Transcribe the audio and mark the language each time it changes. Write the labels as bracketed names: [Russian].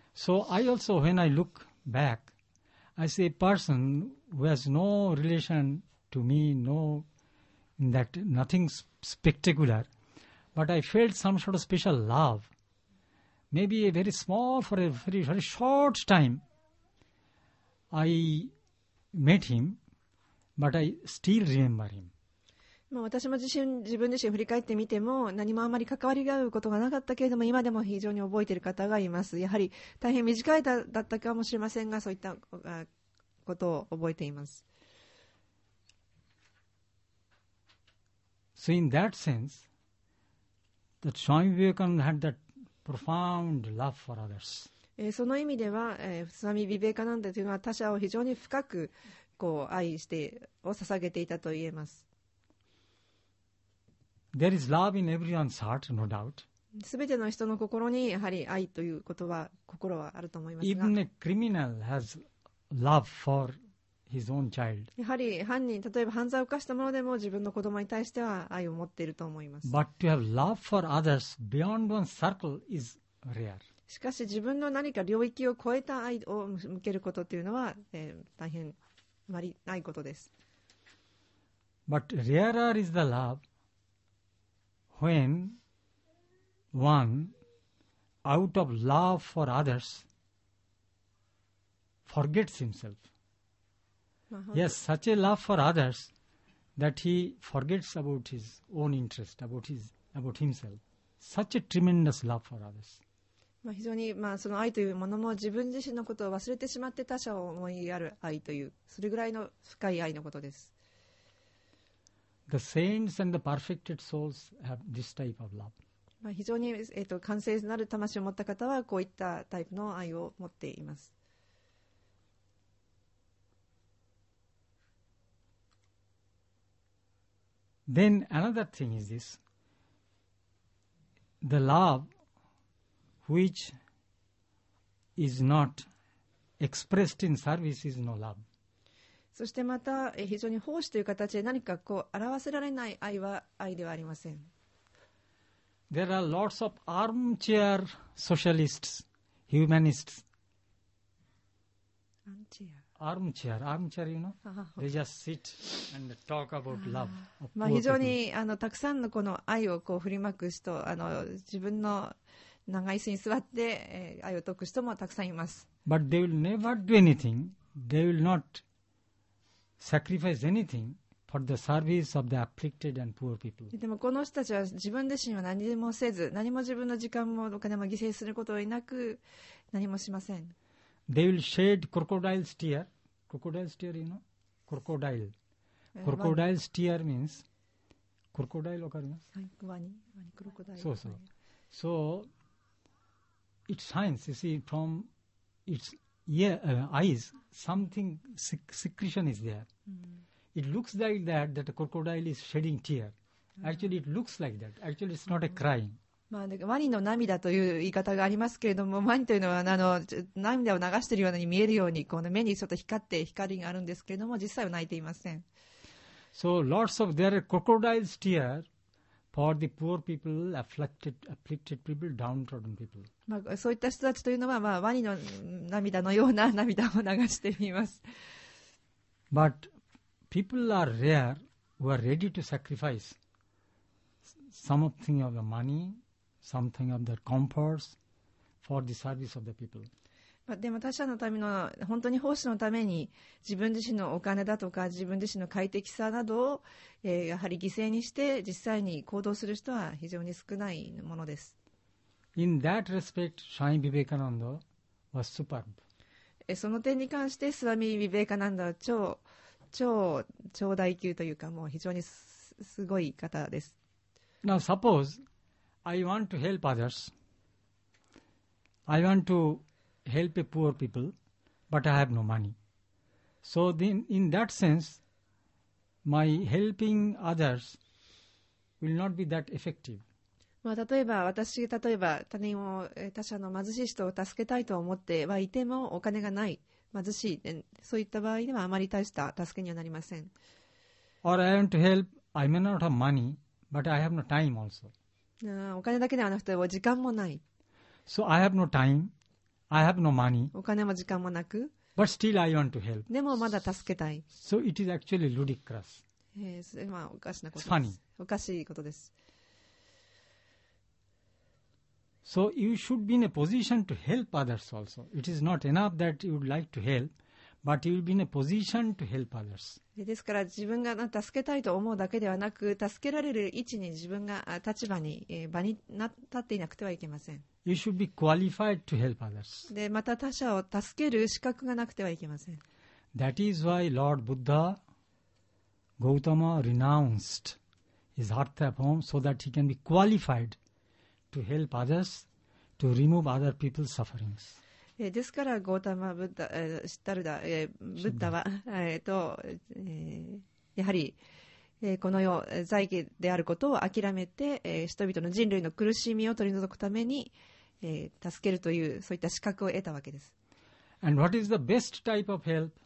[English] So I also, when I look back, I see a person who has no relation to me, no, in that nothing spectacular, but I felt some sort of special love, maybe a very small, for a very, very short time, I met him, but I still remember him. [Japanese] 私も自分自身振り返ってみても何もあまり関わりが合うことがなかったけれども今でも非常に覚えている方がいます。やはり大変短い間だったかもしれませんがそういったことを覚えています。 [English] So in that sense that Swami Vivekananda had that profound love for others. [Japanese] その意味では Swami Vivekananda というのは他者を非常に深くこう愛してを捧げていたといえます。 [English] There is love in everyone's heart, no doubt. [Japanese] 全ての人の心にやはり愛ということは心はあると思いますが。 [English] Even a criminal has love for his own child. [Japanese] やはり犯人、例えば犯罪を犯したものでも自分の子供に対しては愛を持っていると思います。 [English] But to have love for others beyond one circle is rare. [Japanese] しかし自分の何か領域を超えた愛を向けることというのは、大変あまりないことです。 [English] But rarer is the love when one out of love for others forgets himself. Yes, such a love for others that he forgets about his own interest, about himself. Such a tremendous love for others. [Japanese] まあ非常に、まあ、その愛というものも自分自身のことを忘れてしまって他者を思いやる愛という、それぐらいの深い愛のことです。 [English] The saints and the perfected souls have this type of love. [Japanese] まあ非常に、完成なる魂を持った方はこういったタイプの愛を持っています。 [English] Then another thing is this, the love which is not expressed in service is no love. [Japanese] そしてまた非常に奉仕という形で何かこう表せられない愛は愛ではありません。 [English] There are lots of armchair socialists, humanists. Armchair, you know, they just sit and talk about love. [Japanese] まあ非常にあのたくさんのこの愛をこう振りまく人、あの自分の長椅子に座って、愛を説く人もたくさんいます。 [English] But they will never do anything. They will not sacrifice anything for the service of the afflicted and poor people. [Japanese] でもこの人たちは自分自身は何もせず、何も自分の時間もお金も犠牲することをなく何もしません。 [English] They will shed crocodile's tear. Crocodile's tear, you know? Crocodile. Crocodile's tear means... Crocodile, [Japanese] okarimasu? [English] Crocodile. So, so. So, it signs, you see, from its eyes, something, secretion is there. Mm. It looks like that, that a crocodile is shedding tear. Actually, it looks like that. Actually, it's not a crying. [Japanese] まあ、ワニの涙という言い方がありますけれども、ワニというのはあの涙を流しているように見えるようにこの目にちょっと光って光があるんですけれども、実際は泣いていません。 [English] So lots of there are crocodile's tears for the poor people, afflicted people, downtrodden people. [Japanese] まあそういった人たちというのは、まあ、ワニの涙のような涙を流しています。 [English] But people are rare who are ready to sacrifice something of the money,Something of their comforts for the service of the people. [Japanese] But でも他者のための本当に奉仕のために自分自身のお金だとか自分自身の快適さなどを、やはり犠牲にして実際に行動する人は非常に少ないものです。 [English] In that respect, Swami Vivekananda was superb. [Japanese] その点に関してスワミ・ビベーカナンダは超大級というか、もう非常に すごい方です。 [English] Now suppose. I want to help others. I want to help a poor people, but I have no money. So then, in that sense, my helping others will not be that effective. [Japanese] まあ例えば私、例えば他人を、他者の貧しい人を助けたいと思ってはいてもお金がない、貧しい、そういった場合ではあまり大した助けにはなりません。 [English] Or I want to help. I may not have money, but I have no time also. [Japanese] お金だけではなくて時間もない。 [English] So I have no time, I have no money. [Japanese] お金も時間もなく。 [English] But still I want to help. [Japanese] でもまだ助けたい。 [English] So it is actually ludicrous. [Japanese] それはおかしなことです。 [English] It's funny. [Japanese] おかしいことです。 [English] So you should be in a position to help others also. It is not enough that you would like to help. But you will be in a position to help others. [Japanese] ですから自分が助けたいと思うだけではなく、助けられる位置に自分が立場に場に立っていなくてはいけません。 [English] You should be qualified to help others. [Japanese] でまた他者を助ける資格がなくてはいけません。 [English] That is why Lord Buddha, Gautama renounced his artha form so that he can be qualified to help others, to remove other people's sufferings. [Japanese] ですからゴータマ・ブッダ、シッタルダ、ブッダは、やはり、この世財界であることを諦めて、人々の人類の苦しみを取り除くために、助けるというそういった資格を得たわけです。 [English] And what is the best type of help?